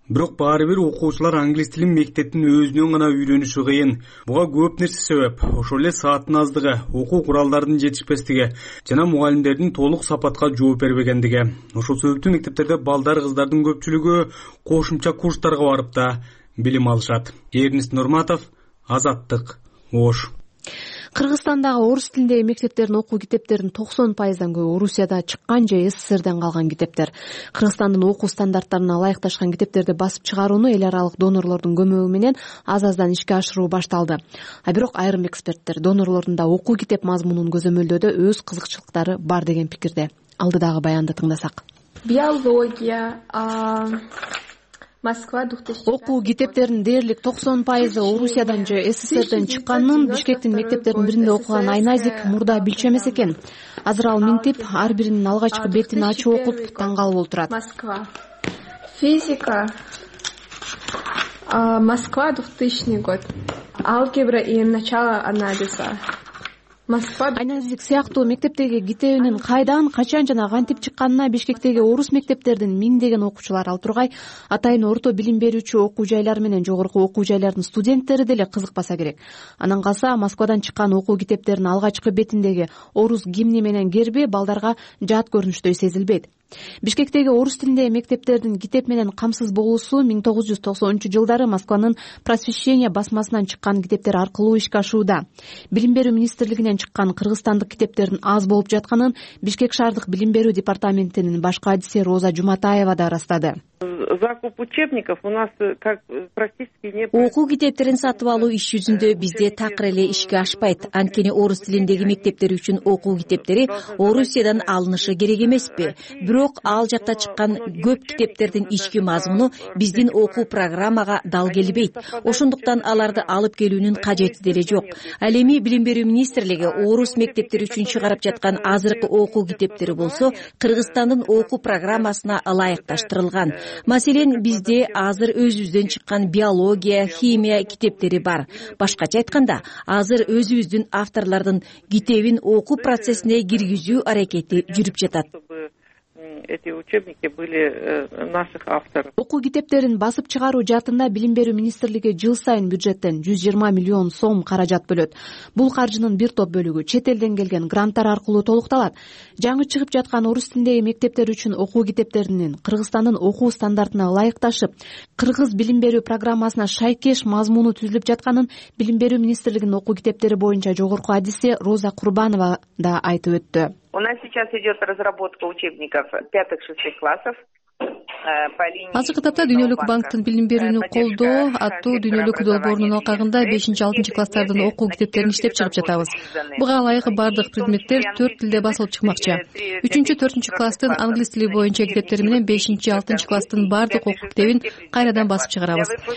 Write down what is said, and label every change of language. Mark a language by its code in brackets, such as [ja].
[ky] Бирок баары бир окуучулар англис тилин мектептин өзүнөн гана үйрөнүшү кыйын. Буга көп нерсе себеп. Ошол эле сааттын аздыгы, окуу куралдардын жетишпестиги жана мугалимдердин толук сапатка жооп бербегендиги. Ошол себептен мектептерде балдар кыздардын көпчүлүгү кошумча курстарга барып да билим алышат. Эрнис Нурматов, Азаттык, Ош. Кыргызстандагы орус тилиндеги мектептердин окуу китептеринин 90% көбү Орусияда чыккан же СССРден калган китептер. Кыргызстандын окуу стандарттарына ылайыкташкан китептерди басып чыгарууну эл аралык донорлордун көмөгү менен аз-аздан ишке ашыруу башталды. А бирок айрым эксперттер донорлордун да окуу китеп мазмунун көзөмөлдөөдө өз кызыкчылыктары бар деген пикирде. Алдыдагы баянды тыңдасак. [ru] Биология, Москва, [ky] окуу китептеринин дээрлик 90% Орусиядан же СССРден чыкканын Бишкектин мектептеринин биринде окуган Айназик мурда билчү эмес экен. Азыр ал минтип ар биринин алгачкы бетин ачып окуп таң калып отурат. [ru] Москва. Физика. Москва 2000 год. Алгебра и начало анализа. [ky] Айназик сыяктуу мектептеги китебинин кайдан, качан жана кантип чыкканына Бишкектеги орус мектептердин миңдеген окуучулары ал тургай атайын орто билим берүүчү окуу жайлар менен жогорку окуу жайлардын студенттери деле кызыкпаса керек. Анан калса Москвадан чыккан окуу китептердин алгачкы бетиндеги орус гимни менен герби балдарга жат көрүнүштөй сезилбейт. Бишкектеги орус тилиндеги мектептердин китеп менен камсыз болуусу 1990-жылдары Москванын Просвещение басмасынан чыккан китептер аркылуу ишке ашууда. Билим берүү министрлигинен чыккан кыргызстандык китептердин аз болуп жатканын Бишкек шаардык билим берүү департаментинин башка адиси Роза Жуматаева да ырастады. [ru] Закуп учебников у нас как практически не. [ky] Окуу китептерин сатып алуу иш жүзүндө бизде такыр эле ишке ашпайт. Анткени орус тилиндеги мектептер үчүн окуу китептери Орусиядан алынышы керек эмеспи? Бирок ал жакта чыккан көп китептердин ички мазмуну биздин окуу программага дал келбейт. Ошондуктан аларды алып келүүнүн кажети деле жок. Ал эми билим берүү министрлиги орус мектептер үчүн чыгарып жаткан азыркы окуу китептери болсо, Кыргызстандын окуу программасына ылайыкташтырылган. Маселен, бизде азыр өзүбүздөн чыккан биология, химия китептери бар. Башкача айтканда, азыр өзүбүздүн авторлордун китебин окуу процессине киргизүү аракети жүрүп жатат. [ru] Эти учебники были наших авторов. [ky] Окуу китептерин басып чыгаруу жаатында билим берүү министрлиги жыл сайын бюджеттен 120 миллион сом каражат бөлөт. Бул каржынын бир топ бөлүгү чет элден келген гранттар аркылуу толукталат. Жаңы чыгып жаткан орус тилиндеги мектептер үчүн окуу китептеринин Кыргызстандын окуу стандартына ылайыкташып, кыргыз билим берүү программасына шайкеш мазмуну түзүлүп жатканын билим берүү министрлигинин окуу китептери боюнча жогорку адиси Роза Курбанова да айтып өттү. [ru] У нас сейчас идет разработка учебников 5-6 классов. [ky] Азыркы тапта Дүйнөлүк банктын билим берүүнү колдоо аттуу дүйнөлүк долбоорунун алкагында 5-6 класстардын окуу китептерин иштеп чыгып жатабыз. Буга ылайык бардык предметтер 4 тилде басылып чыкмакчы. 3-4 класстын англис тили боюнча китептери менен 5-6 класстын бардык окуу китебин кайрадан басып чыгарабыз.